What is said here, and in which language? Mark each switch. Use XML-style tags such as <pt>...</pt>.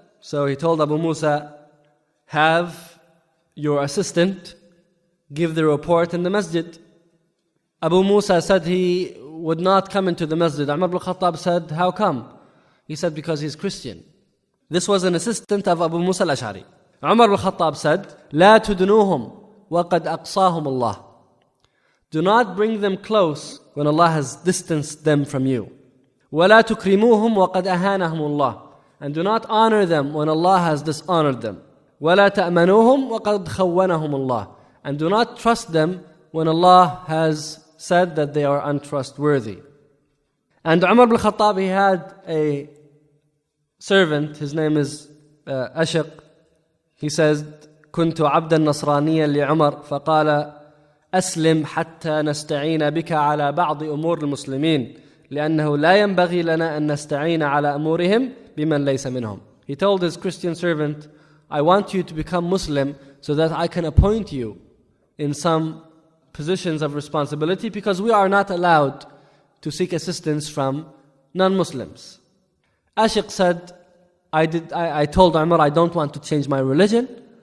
<en>So he told Abu Musa, have your assistant give the report in the masjid. Abu Musa said he would not come into the masjid. Umar ibn Khattab said, how come? He said, because he's Christian. This was an assistant of Abu Musa al-Ash'ari. Umar al-Khattab said,</en> <ar>لا تدنوهم وقد أقصاهم الله.</ar> <en>Do not bring them close when Allah has distanced them from you.</en> <ar>ولا تكرموهم وقد أهانهم الله.</ar> <en>And do not honor them when Allah has dishonored them.</en> <ar>ولا تأمنوهم وقد خونهم الله.</ar> <en>And do not trust them when Allah has said that they are untrustworthy. And Umar ibn al-Khattab, he had a servant, his name is Ashiq. He says,</en> <ar>كنت عبدا نصرانيا لعمر فقال أسلم حتى نستعين بك على بعض أمور المسلمين لأنه لا ينبغي لنا أن نستعين على أمورهم بمن ليس منهم.</ar> <en>He told his Christian servant, I want you to become Muslim so that I can appoint you in some positions of responsibility because we are not allowed to seek assistance from non-Muslims. Ashiq said, I told Umar, I don't want to change my religion.</en>